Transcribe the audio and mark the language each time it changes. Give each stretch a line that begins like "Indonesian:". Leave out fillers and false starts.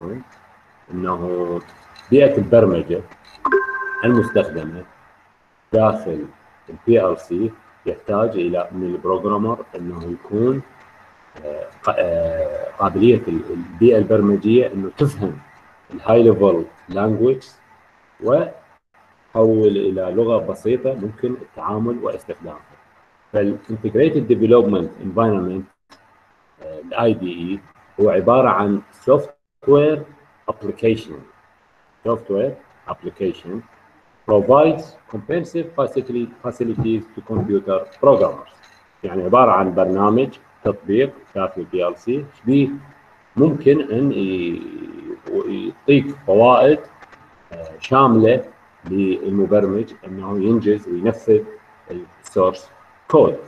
Arabic: كنت انه بيئة البرمجة المستخدمة داخل الـ PLC يحتاج الى من البروغرامر انه يكون قابلية البيئة البرمجية انه تفهم الهاي ليفل لانجويج وحول الى لغة بسيطة ممكن التعامل واستخدامها.
English: فالـ Integrated Development Environment الـ IDE
Arabic: هو عبارة عن
English: software application. Software application provides comprehensive facilities to computer programmers.
Arabic: يعني عبارة عن برنامج تطبيق داخل الـ PLC شبيه ممكن ان يعطيك فوائد شاملة للمبرمج انه ينجز وينفذ الـ source code.